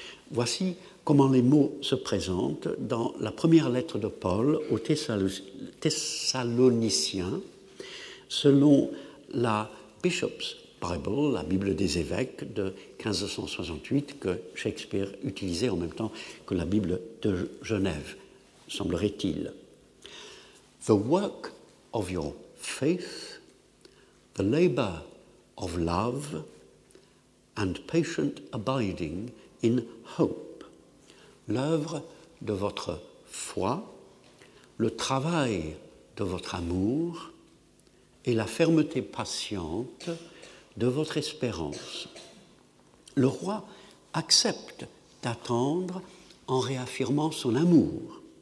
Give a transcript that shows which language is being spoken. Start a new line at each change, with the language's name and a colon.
French: Voici comment les mots se présentent dans la première lettre de Paul aux Thessaloniciens, selon la Bishop's Bible, la Bible des évêques de 1568, que Shakespeare utilisait en même temps que la Bible de Genève, semblerait-il.
English: The work of your faith, the labor of love, and patient abiding in hope.
French: L'œuvre de votre foi, le travail de votre amour et la fermeté patiente de votre espérance. Le roi accepte d'attendre en réaffirmant son amour.